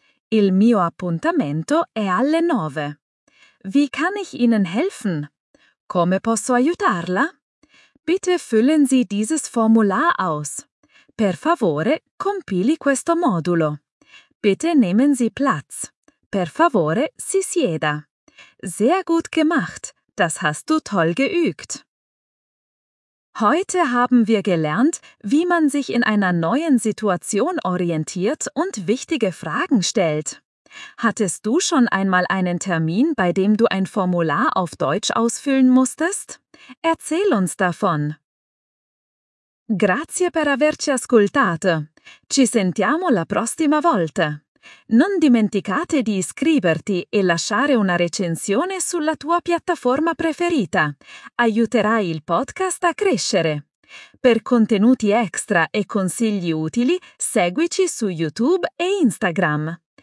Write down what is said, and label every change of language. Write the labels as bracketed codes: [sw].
[it] Il mio appuntamento è alle 9. [de] Wie kann ich Ihnen helfen? [it] Come posso aiutarla? [de] Bitte füllen Sie dieses Formular aus. [it] Per favore, compili questo modulo. [de] Bitte nehmen Sie Platz. [it] Per favore, si sieda. [de] Sehr gut gemacht. Das hast du toll geübt. Heute haben wir gelernt, wie man sich in einer neuen Situation orientiert und wichtige Fragen stellt. Hattest du schon einmal einen Termin, bei dem du ein Formular auf Deutsch ausfüllen musstest? Erzähl uns davon. [it] Grazie per averci ascoltato. Ci sentiamo la prossima volta. Non dimenticate di iscriverti e lasciare una recensione sulla tua piattaforma preferita. Aiuterai il podcast a crescere. Per contenuti extra e consigli utili, seguici su YouTube e Instagram.